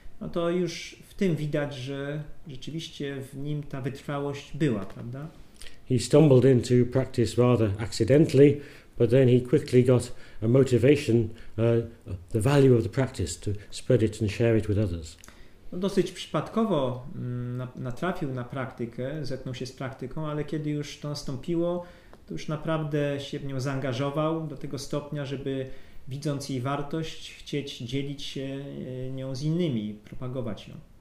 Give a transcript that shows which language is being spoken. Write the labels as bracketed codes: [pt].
[pl] no to już w tym widać, że rzeczywiście w nim ta wytrwałość była, prawda? [en] He stumbled into practice rather accidentally, but then he quickly got a motivation, the value of the practice to spread it and share it with others. [pl] No dosyć przypadkowo natrafił na praktykę, zetknął się z praktyką, ale kiedy już to nastąpiło, to już naprawdę się w nią zaangażował do tego stopnia, żeby widząc jej wartość, chcieć dzielić się nią z innymi, propagować ją.